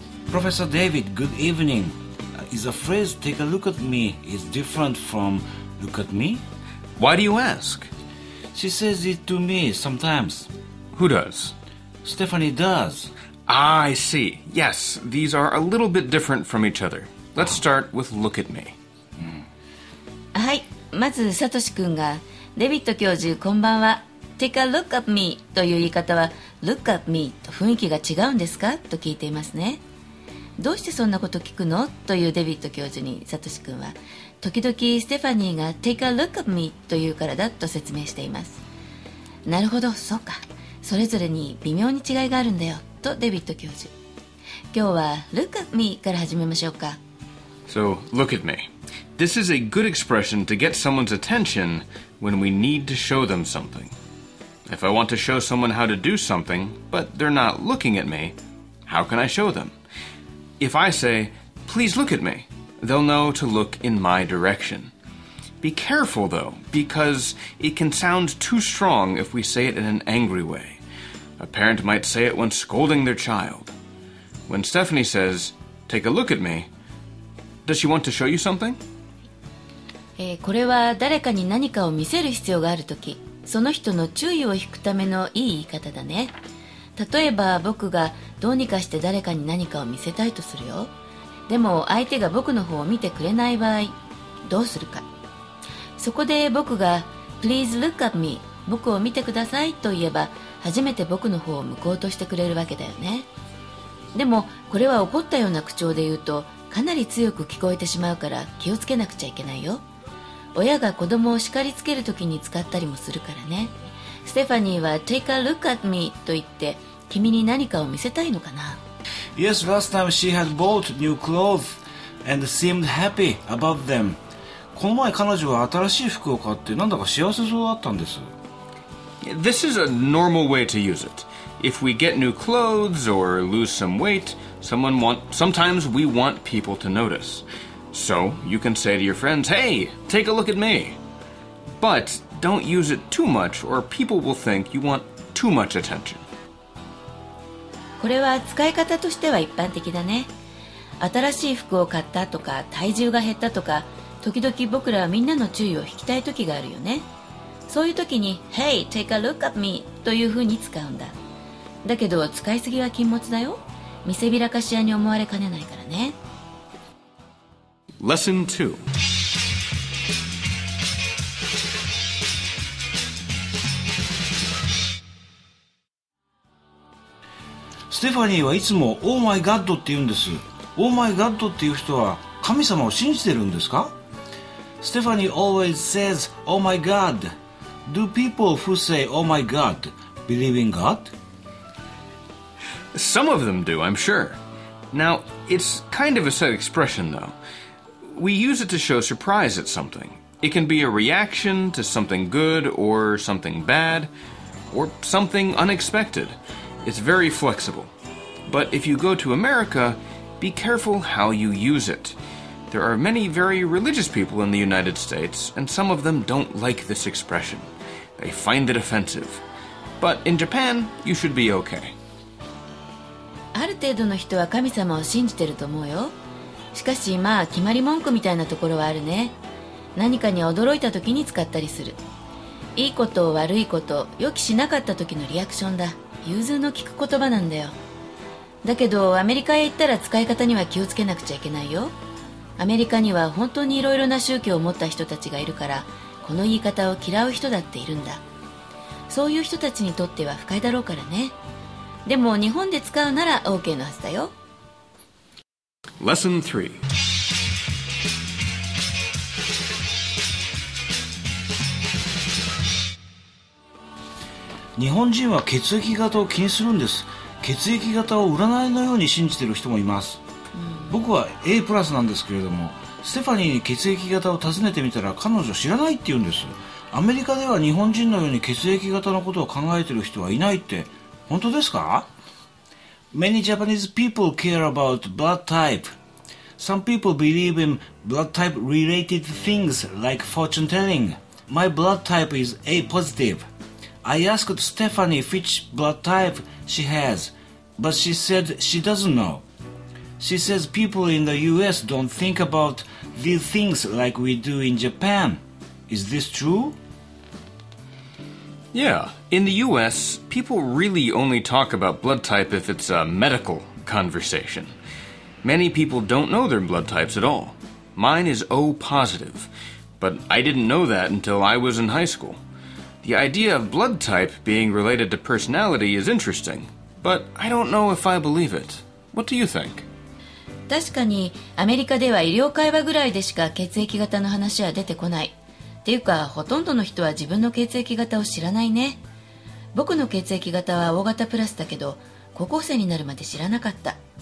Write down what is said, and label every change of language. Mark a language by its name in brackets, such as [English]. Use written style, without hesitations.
[English] Professor David, good evening. Is the phrase take a look at me is different from look at me? Why do you ask? She says it to me sometimes. Who does? Stephanie does. Ah, I see. Yes, these are a little bit different from each other. Let's start with look at me. [Japanese] はい、まずサトシ君がデビッド教授こんばんは。 [English] Take a look at me [Japanese] という言い方は [English] look at me [Japanese] と雰囲気が違うんですか? と聞いていますね。どうしてそんなこと聞くのというデビッド教授にサトシ君は時々ステファニーが [English] Take a look at me [Japanese] と言うからだと説明しています。なるほど、そうか、それぞれに微妙に違いがあるんだよとデビッド教授。今日は [English] Look at me [Japanese] から始めましょうか。 [English] So, look at me. This is a good expression to get someone's attention when we need to show them something. If I want to show someone how to do something but they're not looking at me, how can I show them? If I say, please look at me, they'll know to look in my direction. Be careful, though, because it can sound too strong if we say it in an angry way. A parent might say it when scolding their child. When Stephanie says, take a look at me, does she want to show you something? [Japanese] これは誰かに何かを見せる必要があるとき、その人の注意を引くためのいい言い方だね。例えば僕がどうにかして誰かに何かを見せたいとするよ。でも相手が僕の方を見てくれない場合どうするか。そこで僕が [English] Please look at me、 [Japanese] 僕を見てくださいと言えば初めて僕の方を向こうとしてくれるわけだよね。でもこれは怒ったような口調で言うとかなり強く聞こえてしまうから気をつけなくちゃいけないよ。親が子供を叱りつけるときに使ったりもするからね。ステファニーは [English] Take a look at me [Japanese] と言って君に何かを見せたいのかな。 [English] Yes, last time she had bought new clothes and seemed happy about them. [Japanese] この前彼女は新しい服を買ってなんだか幸せそうだったんです。 [English] This is a normal way to use it. If we get new clothes or lose some weight, sometimes we want people to notice. So you can say to your friends, Hey, take a look at me. ButDon't use it too much or people will think you want too much attention. [Japanese] これは使い方としては一般的だね。新しい服を買ったとか体重が減ったとか時々僕らはみんなの注意を引きたい時があるよね。そういう時に [English] Hey, take a look at me [Japanese] というふうに使うんだ。だけど使いすぎは禁物だよ。見せびらかし屋に思われかねないからね。 [English] Lesson 2 [Japanese] ステファニーはいつも [English] Oh my God [Japanese] って言うんです。Oh my God っていう人は神様を信じてるんですか。 [English] ステファニー always says Oh my God. Do people who say Oh my God believe in God? Some of them do, I'm sure. Now, it's kind of a set expression though. we use it to show surprise at something. It can be a reaction to something good or something bad, or something unexpected. It's very flexible. But if you go to America, be careful how you use it. There are many very religious people in the United States, and some of them don't like this expression. They find it offensive. But in Japan, you should be okay. [Japanese] ある程度の人は神様を信じてると思うよ。しかし、まあ決まり文句みたいなところはあるね。何かに驚いた時に使ったりする。いいこと、悪いこと、予期しなかった時のリアクションだ。融通の利く言葉なんだよ。だけど、アメリカへ行ったら使い方には気をつけなくちゃいけないよ。アメリカには本当にいろいろな宗教を持った人たちがいるから、この言い方を嫌う人だっているんだ。そういう人たちにとっては不快だろうからね。でも日本で使うなら OK のはずだよ。 [English] Lesson 3。 [Japanese] 日本人は血液型を気にするんです。血液型を占いのように信じている人もいます。僕は A プラスなんですけれども、ステファニーに血液型を尋ねてみたら彼女知らないって言うんです。アメリカでは日本人のように血液型のことを考えてる人はいないって本当ですか？ [English] Many Japanese people care about blood type. Some people believe in blood type related things like fortune telling. My blood type is A positive. I asked Stephanie which blood type she has, but she said she doesn't knowShe says people in the U.S. don't think about these things like we do in Japan. Is this true? Yeah. In the U.S., people really only talk about blood type if it's a medical conversation. Many people don't know their blood types at all. Mine is O positive, but I didn't know that until I was in high school. The idea of blood type being related to personality is interesting, but I don't know if I believe it. What do you think? [Japanese] 確かにアメリカでは医療会話ぐらいでしか血液型の話は出てこない。っていうか、ほとんどの人は自分の血液型を知らないね。僕の血液型は O 型プラスだけど、高校生になるまで知らなかった。